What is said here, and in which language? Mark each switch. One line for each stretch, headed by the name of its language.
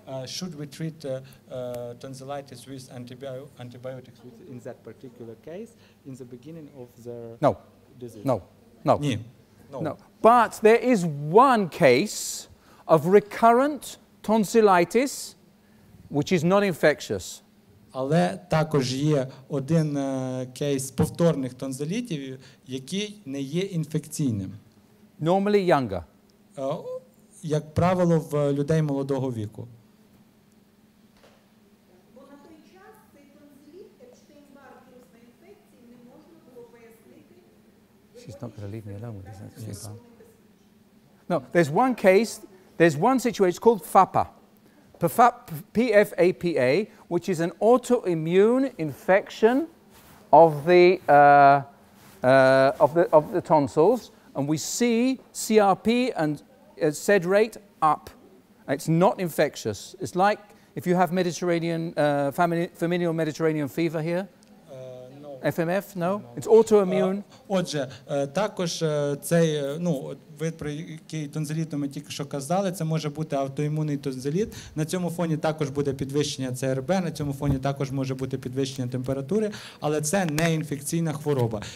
English: Should we treat tonsillitis with antibiotics with, in that particular case in the beginning of the disease? No. But there is one case of recurrent tonsillitis which is not infectious.
Ukrainian: Але також є один кейс повторних тонзилітів, який не є інфекційним.
English: Normally younger.
Ukrainian: Як правило, в людей молодого віку. Бо на той час цей тонзиліт, Епштейн-Бар вірусна інфекція, не можна було пояснити.
English: She's not going to leave me alone with this. No, there's one case, there's one situation, it's called FAPA. PFAPA, which is an autoimmune infection of the tonsils, and we see CRP and sed rate up. It's not infectious. It's like if you have Mediterranean familial Mediterranean fever here. FMF, no? It's autoimmune.
Ukrainian: Отже, також цей, ну, вид, про який тонзиліт ми тільки що казали, це може бути автоімунний тонзиліт. На цьому фоні також буде підвищення ЦРБ, на цьому фоні також може бути підвищення температури, але це не інфекційна хвороба.